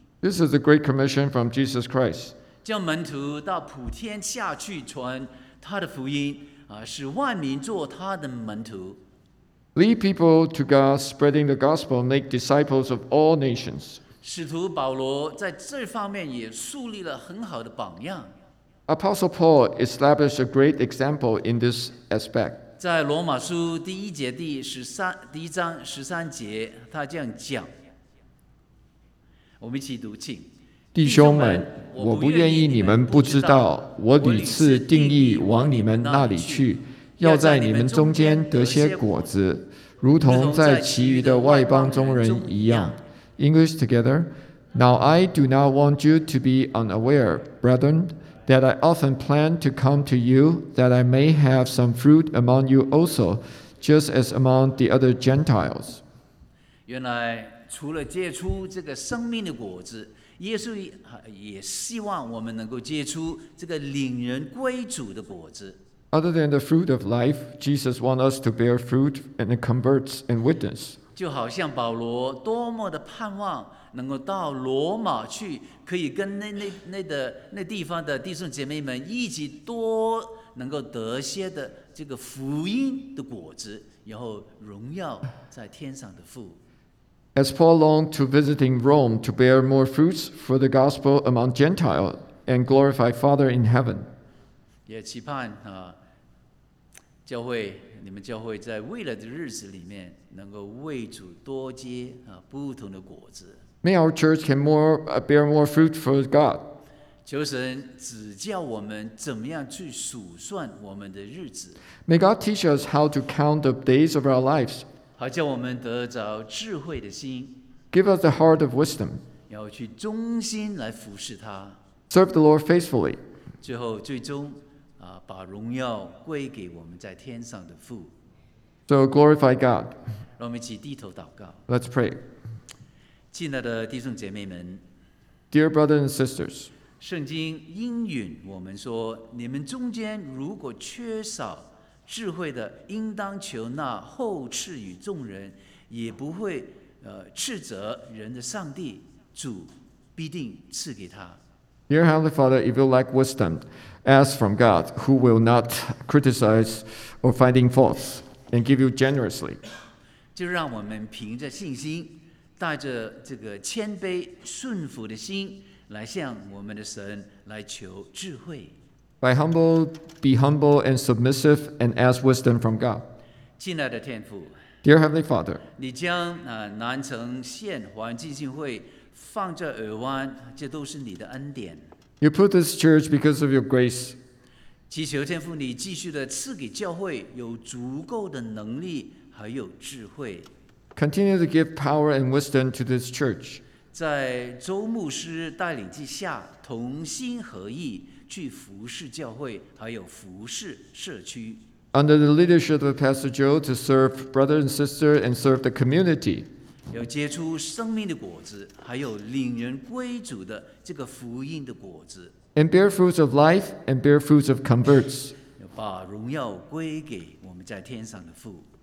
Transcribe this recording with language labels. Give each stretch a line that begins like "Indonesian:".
English: This is the great commission from Jesus Christ.
Chinese: 叫门徒到普天下去传他的福音，使万民做他的门徒。
English: Lead people to God, spreading the gospel, make disciples of all nations.
Chinese: 使徒保罗在这方面也树立了很好的榜样。
English: Apostle Paul established a great example in this aspect.
Chinese: 在罗马书第一节第一章十三节，他这样讲，我们一起读，请。弟兄们，我不愿意你们不知道，我屡次定意往你们那里去，要在你们中间得些果子，如同在其余的外邦中人一样。
English: English together. Now I do not want you to be unaware, brethren. That I often plan to come to you, that I may have some fruit among you also, just as among the other Gentiles.
Chinese: 原来除了结出这个生命的果子，耶稣也希望我们能够结出这个领人归主的果子。
English: Other than the fruit of life, Jesus wants us to bear fruit and converts and witness.
Chinese: 就好像保罗多么的盼望。能够到罗马去，可以跟 那地方的弟兄姐妹们一起多能够得些的这个福音的果子，然后荣耀在天上的父。
English: As Paul longed to visiting Rome to bear more fruits for the gospel among Gentiles and glorify Father in heaven.
Chinese: 也期盼教会你们教会在未来的日子里面能够为主多结不同的果子。
English: May our church can bear more fruit for God.
Chinese: 求神指教我们怎么样去数算我们的日子。
English: May God teach us how to count the days of our lives.
Chinese: 好叫我们得着智慧的心。
English: Give us the heart of wisdom.
Chinese: 要去忠心来服侍他。
English: Serve the Lord faithfully.
Chinese: 最后最终把荣耀归给我们在天上的父。
English: So glorify God.
Chinese: 让我们一起低头祷告。
English: Let's pray.
Chinese: 亲爱的弟兄姐妹们
English: ，Dear brothers and sisters，
Chinese: 圣经应允我们说，你们中间如果缺少智慧的，应当求那后赐与众人，也不会斥责人的上帝，主必定赐给他。
English: Dear Heavenly Father, if you lack wisdom, ask from God, who will not criticize or finding faults, and give you generously.
Chinese: 就让我们凭着信心，带着这个谦卑顺服的心，来向我们的神来求智慧。
English: By humble, be humble and submissive, and ask wisdom from God.
Chinese: 亲爱的天父，
English: Dear Heavenly Father,
Chinese: 你将南城县环境信会放在耳湾，这都是你的恩典。
English: You put this church because of your grace.
Chinese: 祈求天父，你继续的赐给教会有足够的能力还有智慧。
English: Continue to give power and wisdom to this church.
Chinese: 在周牧师带领之下，同心合意去服侍教会，还有服侍社区。
English: Under the leadership of Pastor Joe to serve brother and sister and serve the community.
Chinese: 要结出生命的果子，还有领人归主的这个福音的果子。
English: And bear fruits of life and bear fruits of converts.
Chinese: 要把荣耀归给我们在天上的父。